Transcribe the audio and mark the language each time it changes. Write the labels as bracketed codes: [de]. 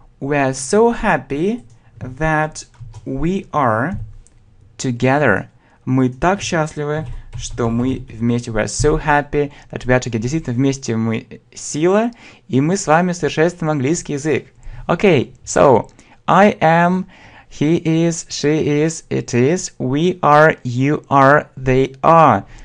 [en] We are so happy that we are together. [ru] Мы так счастливы, что мы вместе. [en] We are so happy that we are together. [ru] Действительно, вместе мы сила, и мы с вами совершенствуем английский язык. [en] Okay, so, I am, he is, she is, it is, we are, you are, they are.